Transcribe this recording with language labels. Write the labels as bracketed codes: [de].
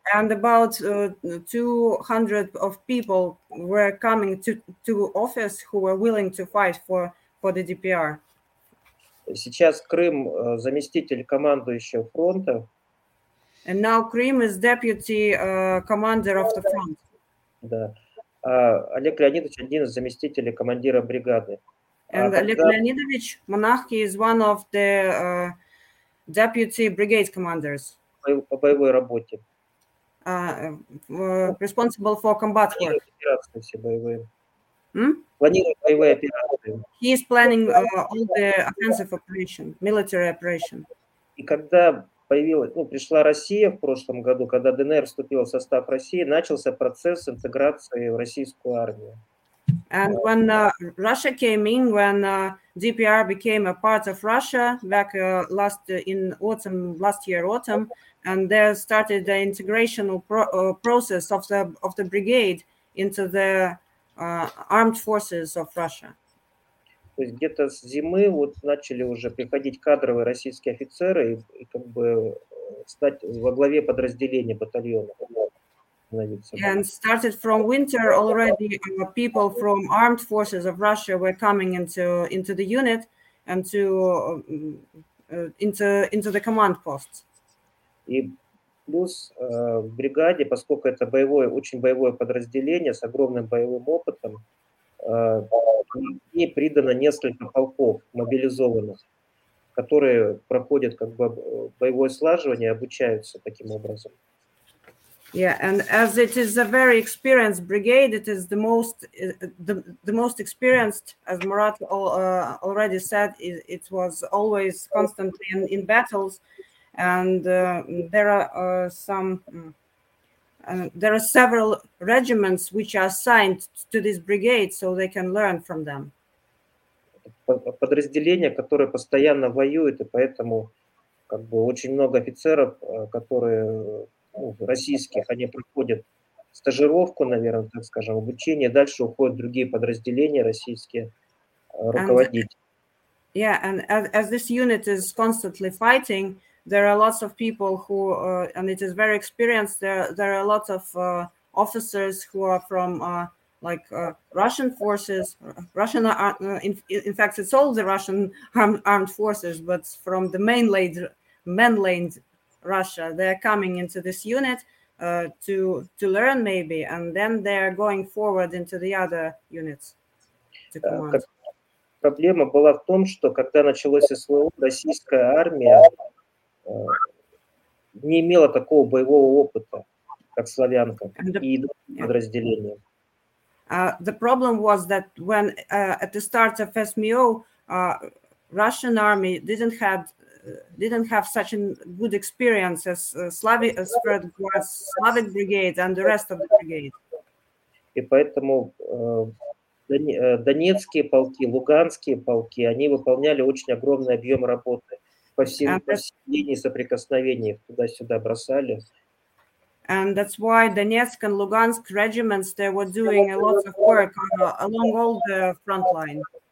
[en] And about 200 of people were coming to office who were willing to fight for the DPR. [ru] Сейчас Крым заместитель командующего фронта. [en] And now Krim is deputy commander of the front. [ru] Да. Олег Леонидович один из заместителей командира бригады. [en] And Олег Леонидович Монахи is one of the deputy brigade commanders. [ru] По боевой работе. [en] Responsible for combat work. [ru] Планирует все боевые. Планирует боевые операции. [en] He is planning all the offensive operation, military operation. [ru] И когда появилась, ну, пришла Россия в прошлом году, когда ДНР вступила в состав России, начался процесс интеграции в российскую армию. [en] And when Russia came in, when DPR became a part of Russia back last year autumn, and there started the integrational process of the brigade into the armed forces of Russia. [ru] То есть где-то с зимы вот начали уже приходить кадровые российские офицеры и как бы стать во главе подразделения батальона. [en] And started from winter already people from armed forces of Russia were coming into the unit and to into the command posts. [ru] И плюс в бригаде, поскольку это боевое, очень боевое подразделение с огромным боевым опытом, ей придано несколько полков мобилизованных, которые проходят как бы боевое слаживание, обучаются таким образом. [en] Yeah, and as it is a very experienced brigade, it is the most experienced, as Murat already said, it was always constantly in battles, and there are several regiments which are assigned to this brigade, so they can learn from them. [ru] Подразделение, которое постоянно воюет, и поэтому как бы очень много офицеров, которые российских, они проходят стажировку, наверное, так скажем, обучение, дальше уходят другие подразделения российские руководить. [en] Yeah, and as this unit is constantly fighting, there are lots of people who, and it is very experienced, there are lots of officers who are from, Russian forces, Russian, in fact, it's all the Russian armed forces, but from the mainland Russia, they're coming into this unit to learn maybe, and then they're going forward into the other units to command. [ru] Проблема была в том, что когда началось СВО, российская армия не имела такого боевого опыта, как славянка, и подразделения. [en] The problem was that when at the start of SMO, Russian army didn't have such a good experience as Slavic brigade and the rest of the brigade. [ru] И поэтому донецкие полки, луганские полки, они выполняли очень огромный объем работы по всей линии соприкосновения, туда-сюда бросали. [en] And that's why Donetsk and Lugansk regiments, they were doing a lot of work along all the front line.